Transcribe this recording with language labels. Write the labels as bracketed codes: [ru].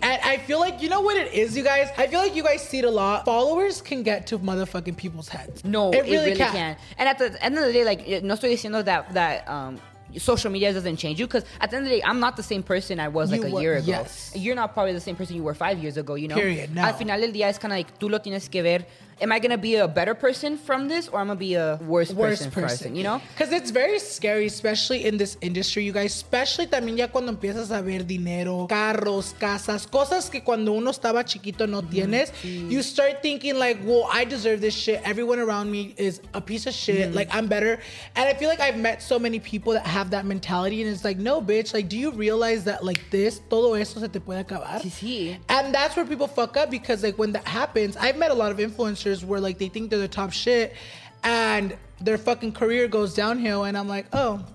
[en] And I feel like, you know what it is, you guys? I feel like you guys see it a lot. Followers can get to motherfucking people's heads. No, it really can. And at the end of the day, like, [es] no estoy diciendo [en] that social media doesn't change you, because at the end of the day, I'm not the same person I was year ago. Yes. You're not probably the same person you were 5 years ago, you know? Period, no. [es] Al final del día, es [en] kind of like, [es] tú lo tienes que ver. [en] Am I going to be a better person from this, or am I going to be a worse person, you know? Because it's very scary, especially in this industry, you guys. Especially [es] también ya cuando empiezas a ver dinero, carros, casas, cosas que cuando uno estaba chiquito no tienes. Mm-hmm. [en] You start thinking like, well, I deserve this shit. Everyone around me is a piece of shit. Mm-hmm. Like, I'm better. And I feel like I've met so many people that have that mentality. And it's like, no, bitch. Like, do you realize that, like, this, [es] todo eso se te puede acabar? Sí, sí. [en] And that's where people fuck up, because, like, when that happens, I've met a lot of influencers where, like, they think they're the top shit and their fucking career goes downhill, and I'm like, oh.